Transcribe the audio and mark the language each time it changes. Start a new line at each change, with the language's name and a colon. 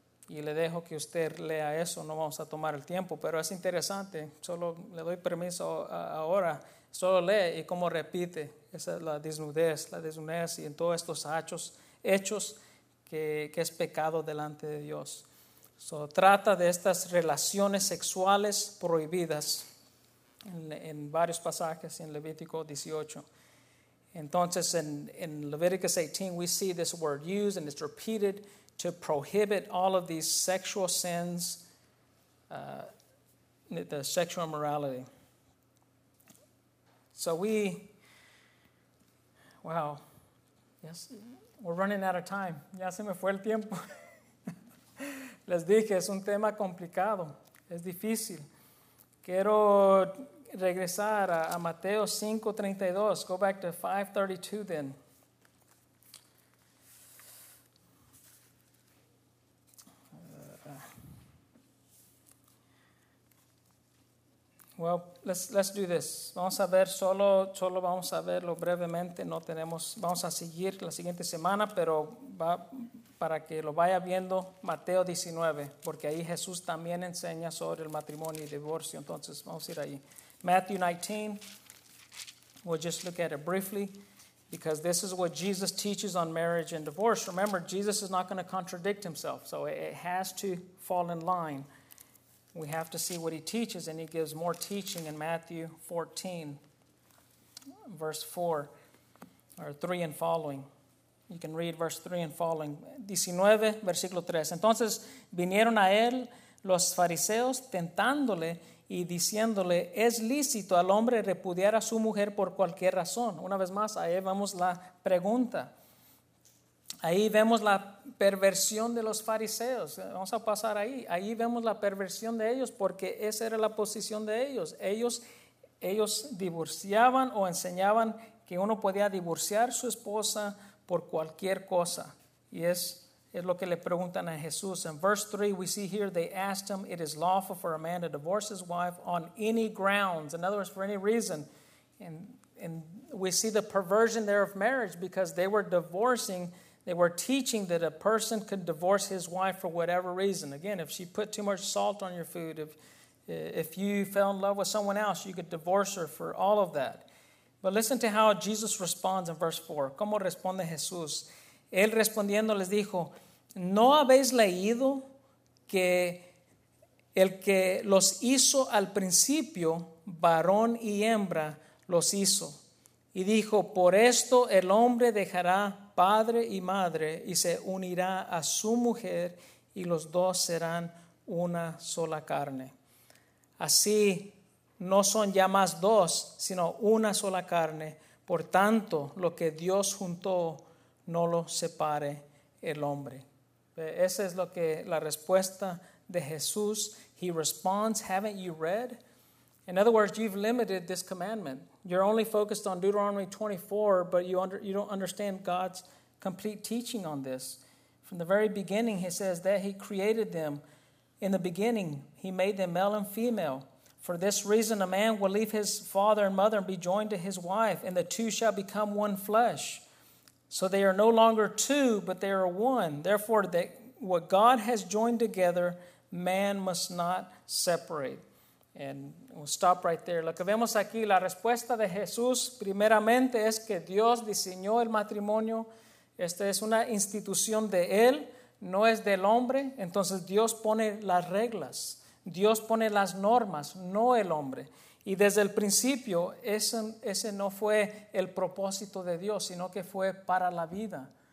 Spanish: Y le dejo que usted lea eso, no vamos a tomar el tiempo, pero es interesante, solo le doy permiso ahora, solo lee y cómo repite, esa es la desnudez y en todos estos hechos que es pecado delante de Dios. So, trata de estas relaciones sexuales prohibidas en varios pasajes en Levítico 18. Entonces
English: en Leviticus 18 we see this word used and it's repeated to prohibit all of these sexual sins, the sexual immorality. So yes, we're running out of time.
Spanish: Ya se me fue el tiempo. Les dije, es un tema complicado. Es difícil. Quiero regresar a Mateo 5:32.
English: Go back to 5:32 then. Well, let's do this.
Spanish: Vamos a ver solo vamos a verlo brevemente. No tenemos, vamos a seguir la siguiente semana, pero va para que lo vaya viendo Mateo 19, porque ahí Jesús también enseña sobre el matrimonio y divorcio. Entonces, vamos a ir ahí.
English: Matthew 19. We'll just look at it briefly because this is what Jesus teaches on marriage and divorce. Remember, Jesus is not going to contradict himself, so it has to fall in line. We have to see what he teaches, and he gives more teaching in Matthew 14, verse 4, or 3 and following. You can read verse 3 and following.
Spanish: 19, versículo 3. Entonces vinieron a él los fariseos tentándole y diciéndole, ¿es lícito al hombre repudiar a su mujer por cualquier razón? Una vez más, ahí vemos la pregunta. Ahí vemos la perversión de los fariseos. Vamos a pasar ahí. Ahí vemos la perversión de ellos porque esa era la posición de ellos. Ellos divorciaban o enseñaban que uno podía divorciar su esposa por cualquier cosa. Y es lo que le preguntan a Jesús. En
English: verse 3, we see here, they asked him, it is lawful for a man to divorce his wife on any grounds. In other words, for any reason. And we see the perversion there of marriage because they were divorcing. They were teaching that a person could divorce his wife for whatever reason. Again, if she put too much salt on your food, if you fell in love with someone else, you could divorce her for all of that. But listen to how Jesus responds in verse 4.
Spanish: ¿Cómo responde Jesús? Él respondiendo les dijo, ¿no habéis leído que el que los hizo al principio, varón y hembra, los hizo? Y dijo, por esto el hombre dejará padre y madre y se unirá a su mujer y los dos serán una sola carne. Así no son ya más dos, sino una sola carne. Por tanto, lo que Dios juntó, no lo separe el hombre. Esa es lo que la respuesta de Jesús.
English: He responds, haven't you read? In other words, you've limited this commandment. You're only focused on Deuteronomy 24, but you don't understand God's complete teaching on this. From the very beginning, he says that he created them. In the beginning, he made them male and female. For this reason, a man will leave his father and mother and be joined to his wife, and the two shall become one flesh. So they are no longer two, but they are one. Therefore, what God has joined together, man must not separate. And we'll stop right there.
Spanish: Lo que vemos aquí, la respuesta de Jesús, primeramente, es que Dios diseñó el matrimonio. Esta es una institución de Él, no es del hombre. Entonces, Dios pone las reglas. Dios pone las normas, no el hombre. Y desde el principio, ese no fue el propósito de Dios, sino que fue para la vida.